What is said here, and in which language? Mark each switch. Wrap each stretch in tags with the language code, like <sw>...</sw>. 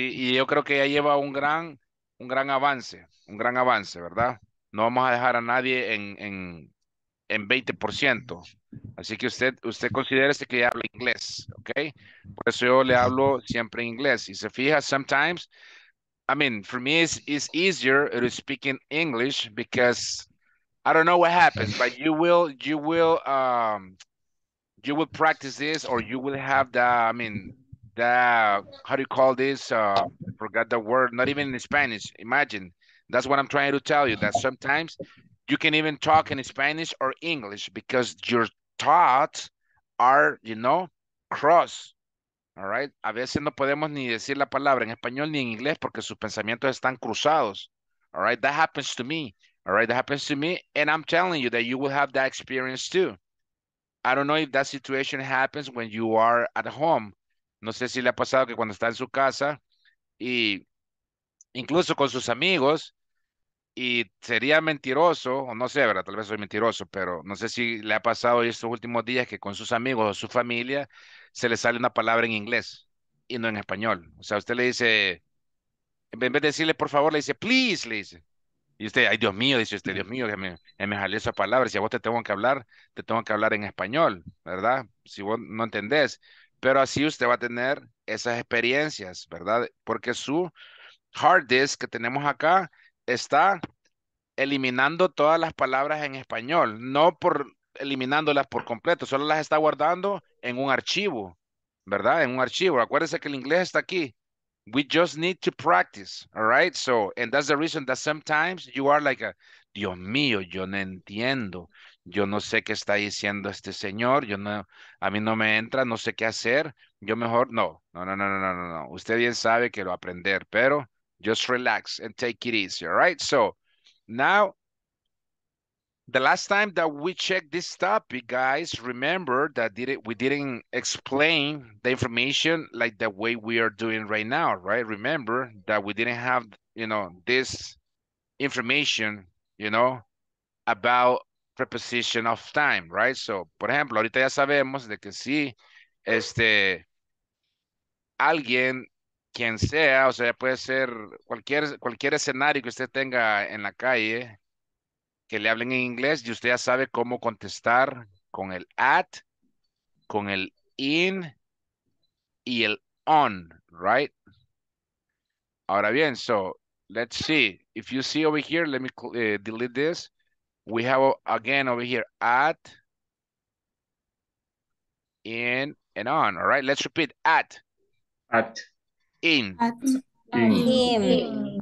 <es>Y yo creo que ya lleva un gran avance. Un gran avance, ¿verdad? No vamos a dejar a nadie en 20%. Así que usted considérese que ya habla inglés, ¿ok? Por eso yo le hablo siempre en inglés. Y se fija,</es> <en>sometimes, I mean, for me, it's easier to speak in English because I don't know what happens, but you will practice this, or you will have not even in Spanish. Imagine, that's what I'm trying to tell you, that sometimes you can even talk in Spanish or English because your thoughts are, you know, cross. All right.</en> <es>A veces no podemos ni decir la palabra en español ni en inglés porque sus pensamientos están cruzados.</es> <en>All right. That happens to me. All right. That happens to me. And I'm telling you that you will have that experience too. I don't know if that situation happens when you are at home.</en> <es>No sé si le ha pasado que cuando está en su casa y incluso con sus amigos, y sería mentiroso, o no sé, ¿verdad? Tal vez soy mentiroso, pero no sé si le ha pasado estos últimos días que con sus amigos o su familia se le sale una palabra en inglés y no en español. O sea, usted le dice, en vez de decirle por favor, le dice please, le dice. Y usted, ay Dios mío, dice usted, Dios mío, que me salió esa palabra. Si a vos te tengo que hablar en español, ¿verdad? Si vos no entendés. Pero así usted va a tener esas experiencias, ¿verdad? Porque su hard disk que tenemos acá está eliminando todas las palabras en español. No por eliminándolas por completo, solo las está guardando en un archivo, ¿verdad? En un archivo. Acuérdense que el inglés está aquí.</es> <en>We just need to practice, all right? So, and that's the reason that sometimes you are like,</en> <es>Dios mío, yo no entiendo. Yo no sé qué está diciendo este señor. Yo no, a mí no me entra, no sé qué hacer. Yo mejor, no. Usted bien sabe que lo aprender, pero</es> <en>just relax and take it easy, all right? So, now, The last time that we checked this topic, guys, remember that we didn't explain the information like the way we are doing right now, right? Remember that we didn't have, you know, this information, you know, about preposition of time, right?</en> <es>So, por ejemplo, ahorita ya sabemos de que sí, alguien, quien sea, o sea, puede ser cualquier escenario que usted tenga en la calle, que le hablen en inglés y usted ya sabe cómo contestar con el at, con el in y el on, right? Ahora bien,</es> <en>so let's see. If you see over here, let me delete this. We have again over here at, in, and on, all right? Let's repeat at. At. In. At. In. In.</en>